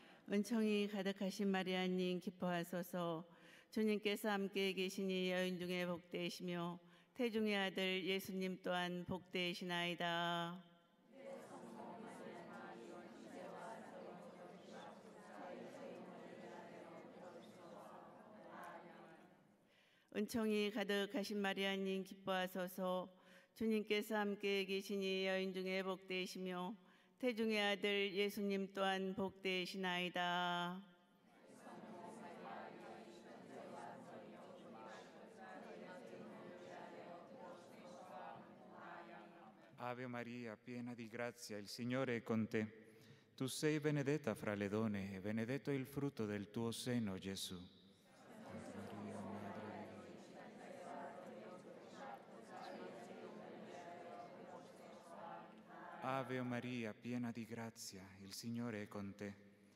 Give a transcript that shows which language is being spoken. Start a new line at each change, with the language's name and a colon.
Korean: Unzungi 가득하신 마리아님 기뻐하소서. 주님께서 함께 계시니 여인 중에 복되시며 태중의 아들 예수님 또한 복되시나이다. Unzungi 가득하신 마리아님 기뻐하소서. 주님께서 함께 계시니 여인 중에 복되시며 태중의 아들 예수님 또한 복되시나이다.
Italian: 아베 마리아, piena di grazia, il Signore è con te. Tu sei benedetta fra le donne e benedetto il frutto del tuo seno, Gesù. Ave Maria, piena di grazia, il Signore è con te.